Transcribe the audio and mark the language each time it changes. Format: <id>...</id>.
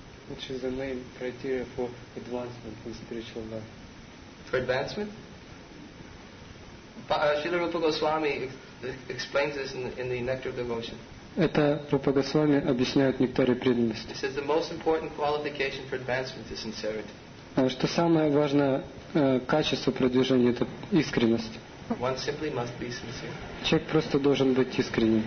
<en>Which is the main criteria for advancement in spiritual life? For advancement? Srila Rupa Goswami explains this in the Nectar of Devotion.</en> <ru>Это Рупа Госвами объясняет нектаре преданности.</ru> <en>He says the most important qualification for advancement is sincerity.</en> <ru>Что самое важное качество продвижения это искренность.</ru> <en>One simply must be sincere.</en> <ru>Человек просто должен быть искренним.</ru>